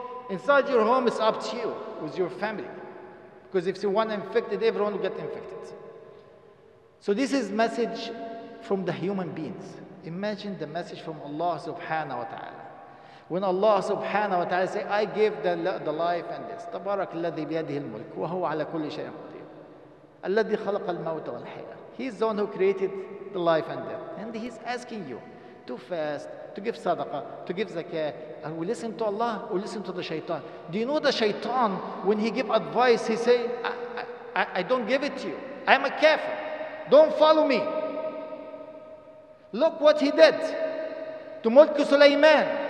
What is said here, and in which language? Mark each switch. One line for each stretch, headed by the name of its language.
English: Inside your home, it's up to you. With your family. Because if you're one infected, everyone will get infected. So this is message from the human beings. Imagine the message from Allah
Arabic: subhanahu wa ta'ala.
English: When Allah
Arabic: subhanahu wa ta'ala
English: say, I give the life and this.
Arabic: تبارك الذي بيده الملك وهو على كل شيء قدير. الذي خلق الموت والحياة.
English: He's the one who created the life and death. And He's asking you to fast, to give sadaqah, to give zakah, and we listen to Allah, we listen to the shaitan. Do you know the shaitan, when he give advice, he say, I don't give it to you. I'm a kafir. Don't follow me. Look what he did to Mulk Sulaiman.